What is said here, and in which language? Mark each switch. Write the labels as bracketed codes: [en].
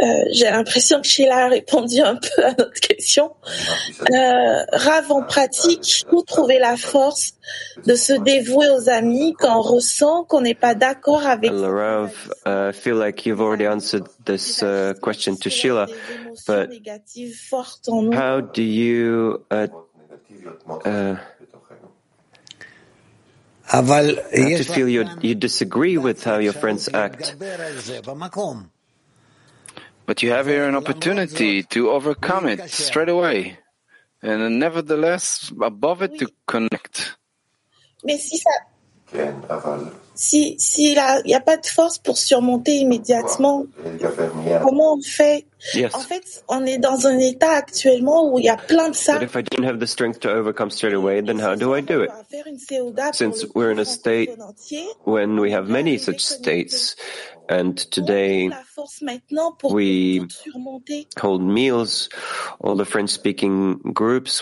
[fr] J'ai l'impression que Sheila a répondu un peu à notre question. Rav, en pratique, où trouver la force de se dévouer aux amis quand on ressent qu'on n'est pas d'accord avec... [en] Hello, Rav, I feel like you've already answered this question to Sheila, but how do you... how to feel you disagree with how your friends act? But you have here an opportunity to overcome it straight away, and nevertheless, above it, to connect. [fr] Mais si ça, si si là, il y a pas de force pour surmonter immédiatement. Comment on fait? [en] Yes. [fr] En fait, on est dans un état actuellement où il y a plein de ça. [en] But if I didn't have the strength to overcome straight away, then how do I do it? Since we're in a state when we have many such states. And today we hold meals, all the French-speaking groups.